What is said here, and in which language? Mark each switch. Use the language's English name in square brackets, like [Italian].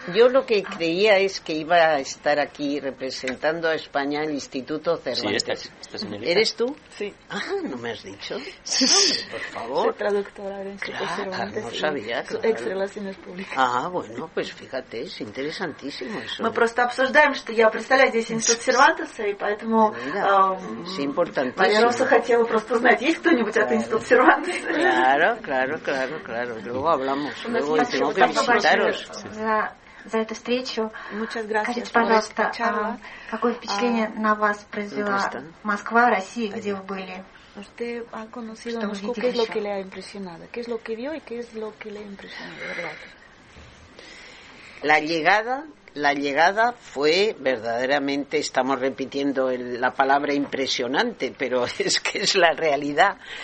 [Spanish] Yo lo que creía es que iba a estar aquí representando a España el Instituto Cervantes. Sí, estás en el ITA. ¿Eres tú? Sí. Ah, ¿no me has dicho? Sí. Hombre, por favor. Soy traductora del Instituto Cervantes. Claro, no sabía. Claro. Ex relaciones públicas. Ah, bueno, pues fíjate, es interesantísimo eso. [Russian] Мы просто обсуждаем, что я представляю здесь Институт Сервантеса, и поэтому... [Spanish] Sí, importante. [Russian] Я просто хотела просто узнать, есть кто-нибудь от Института Сервантеса? [Spanish] Claro, claro, claro, claro. Luego hablamos. Luego tengo que visitaros. [Russian] За эту встречу. [Spanish] Muchas gracias. [Russian] Скажите, пожалуйста, какое впечатление на вас произвела Москва, Россия, где вы были? [Spanish] Usted ha conocido Moscú, ¿qué es lo que le ha impresionado? ¿Qué es lo que vio y qué es lo que le ha impresionado, verdad? La llegada fue verdaderamente, estamos repitiendo la palabra impresionante, pero es que es la realidad.